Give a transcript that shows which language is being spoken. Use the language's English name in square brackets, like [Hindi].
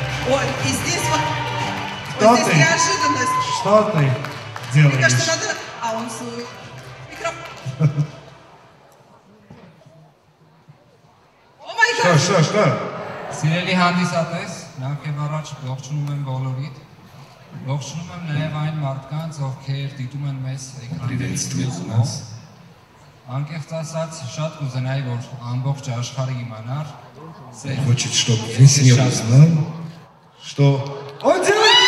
[Russian] Ой, и здесь вот, кто вот здесь ты? Неожиданность. Что ты делаешь? Мне кажется, надо... А он свой микрофон. [English] О май гад! [Russian] Что, что, что? [Armenian] Սիրելի հանդիսատես, նախ եւ առաջ ողջունում եմ բոլորիդ։ Ողջունում եմ նաեւ այն մարդկանց, ովքեր դիտում են մեզ էկրանից։ Անկեղծ ասած, շատ կուզենայի, որ ամբողջ աշխարհը իմանար, ոչինչ, [Russian] что весь мир узнал, что он делает приглашение.